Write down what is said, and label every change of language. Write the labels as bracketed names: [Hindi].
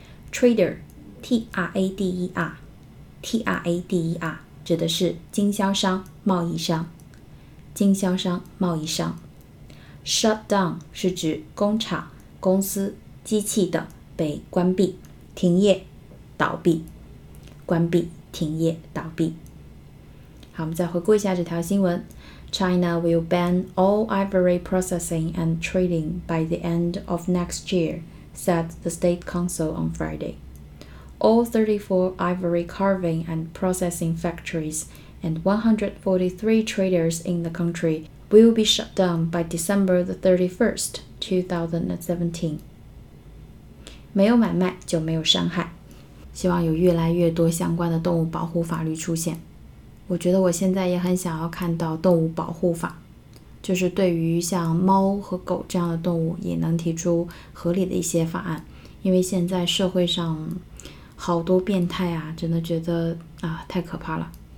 [Chinese] Trader, T-R-A-D-E-R, T-R-A-D-E-R, 指的是经销商、贸易商、经销商、贸易商。 Shut down 是指工厂、公司、机器等被关闭、停业、倒闭。关闭、停业、倒闭。好，我们再回顾一下这条新闻。 [English] China will ban all ivory processing and trading by the end of next year, said the State Council on Friday. All 34 ivory carving and processing factories and 143 traders in the country will be shut down by December the 31st, 2017. [Chinese] 没有买卖就没有伤害。希望有越来越多相关的动物保护法律出现。我觉得我现在也很想要看到动物保护法，就是对于像猫和狗这样的动物也能提出合理的一些法案，因为现在社会上好多变态啊，真的觉得啊太可怕了。